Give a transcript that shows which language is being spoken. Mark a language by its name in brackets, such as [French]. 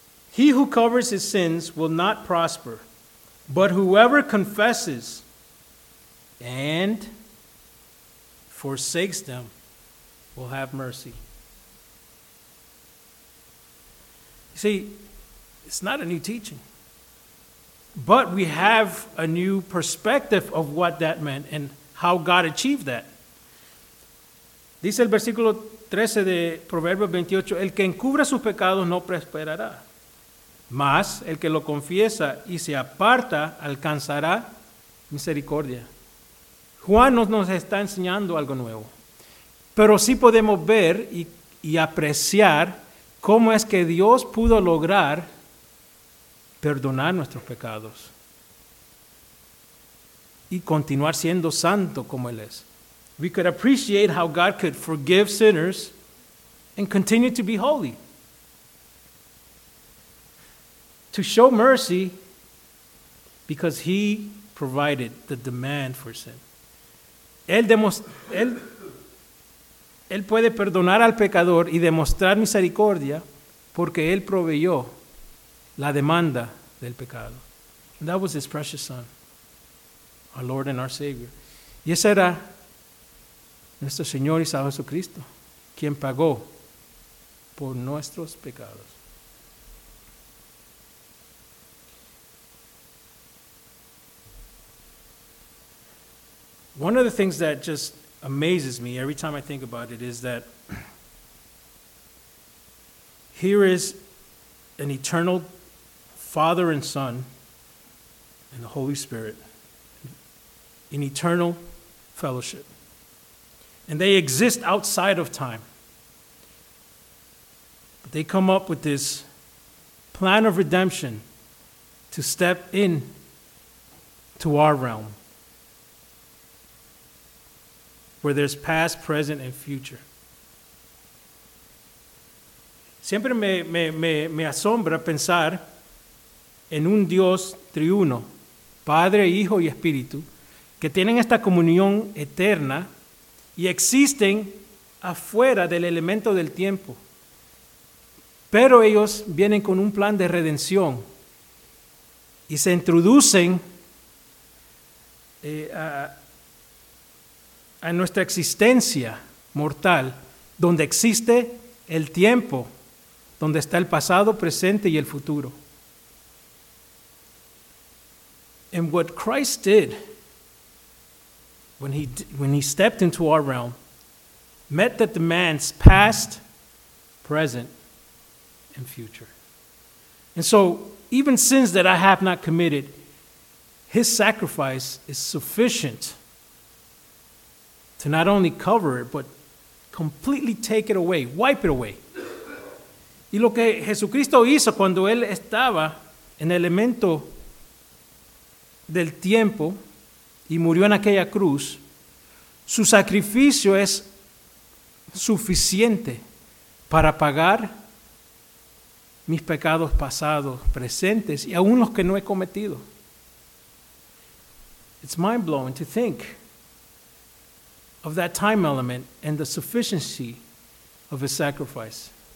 [English] He who covers his sins will not prosper, but whoever confesses and forsakes them will have mercy. You see, it's not a new teaching, but we have a new perspective of what that meant and how God achieved that. [Spanish] Dice el versículo 13 de Proverbios 28, el que encubre sus pecados no prosperará, mas el que lo confiesa y se aparta alcanzará misericordia. Juan no nos está enseñando algo nuevo, pero sí podemos ver y apreciar cómo es que Dios pudo lograr perdonar nuestros pecados y continuar siendo santo como Él es. [English] We could appreciate how God could forgive sinners and continue to be holy. To show mercy because He provided the demand for sin. [Spanish] Él puede perdonar al pecador y demostrar misericordia porque Él proveyó la demanda del pecado. [English] And that was His precious Son, our Lord and our Savior. [Spanish] Y esa era nuestro Señor y Salvador Jesucristo, quien pagó por nuestros pecados. [English] One of the things that just amazes me every time I think about it is that here is an eternal Father and Son and the Holy Spirit in eternal fellowship. And they exist outside of time. But they come up with this plan of redemption to step in to our realm, where there's past, present, and future. [Spanish] Siempre me asombra pensar en un Dios triuno, Padre, Hijo y Espíritu, que tienen esta comunión eterna y existen afuera del elemento del tiempo. Pero ellos vienen con un plan de redención y se introducen a nuestra existencia mortal, donde existe el tiempo, donde está el pasado, presente y el futuro. [English] And what Christ did when he stepped into our realm, met the demands past, present, and future. And so, even sins that I have not committed, His sacrifice is sufficient to not only cover it, but completely take it away, wipe it away. [Spanish] Y lo que Jesucristo hizo cuando Él estaba en el elemento del tiempo y murió en aquella cruz, su sacrificio es suficiente para pagar mis pecados pasados, presentes, y aún los que no he cometido. [English] It's mind-blowing to think of that time element and the sufficiency of His sacrifice.